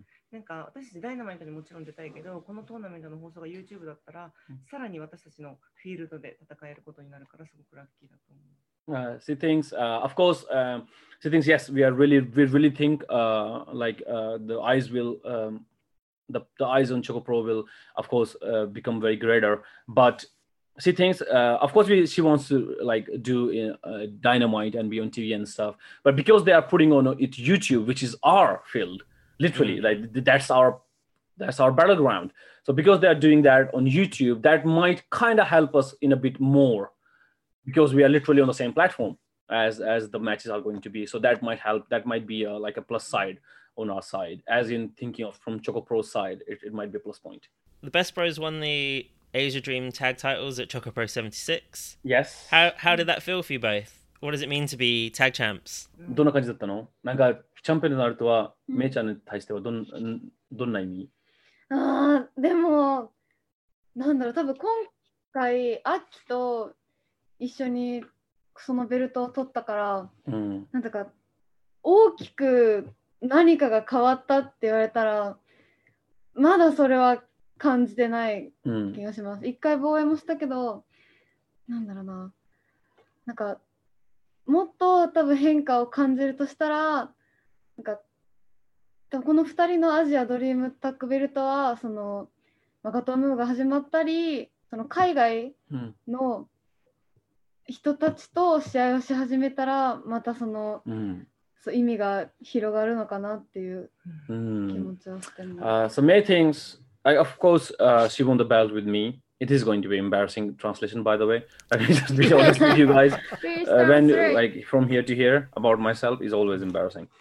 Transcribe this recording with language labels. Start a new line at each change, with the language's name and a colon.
Japanese: なんか私ダイナマイトにもちろん出たいけど、このトーナメントの放送が YouTube だったら、さらに私たちのフィールドで戦えることになるから、すごくラッキーだと思う。
English: She thinks, of course, she thinks, yes, we really think, like, the eyes will, the eyes on ChocoPro will of course become very greater, but she thinks of course she wants to like do Dynamite and be on TV and stuff, but because they are putting on it YouTube, which is our field literally, like that's our battleground, so because they are doing that on YouTube, that might kind of help us in a bit more, because we are literally on the same platform as the matches are going to be, so that might help, that might be like a plus side on our side, as in thinking of from ChocoPro's side, it might be a plus point. The Best Bros won the Asia Dream tag titles at ChocoPro 76. Yes. How did that feel for you both? What does it mean to be tag champs?
Japanese: どんな感じだったの？なんかチャンピオンになるとは、メイちゃんに対してはどんな意味？でも、なんだろう、多分今回、アキと一緒にそのベルトを取ったから、なんだか大きく何かが変わったって言われたら、まだそれは感じてない気がします。一回防衛もしたけど、なんだろうな、なんかもっと多分変化を感じるとしたら、なんかでもこの二人のアジアドリームタッグベルトは、そのマガトムーが始まったり、その海外の人たちと試合をし始めたら、またその、
English: so,
Japanese: 意味が広がるのかなっていう気持ちをしてます。
English: So, May thinks, of course, she won the belt with me. It is going to be embarrassing translation, by the way. Let me just be honest with you guys. When, like, from here to here about myself is always embarrassing.